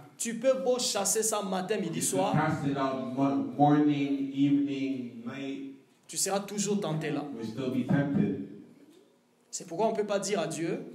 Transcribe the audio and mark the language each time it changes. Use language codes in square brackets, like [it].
[fr] tu peux beau chasser ça matin, midi, soir. [en] Cast it out morning, evening, night, [fr] tu seras toujours tenté là. [en] Will still be tempted. [fr] C'est pourquoi on ne peut pas dire à Dieu,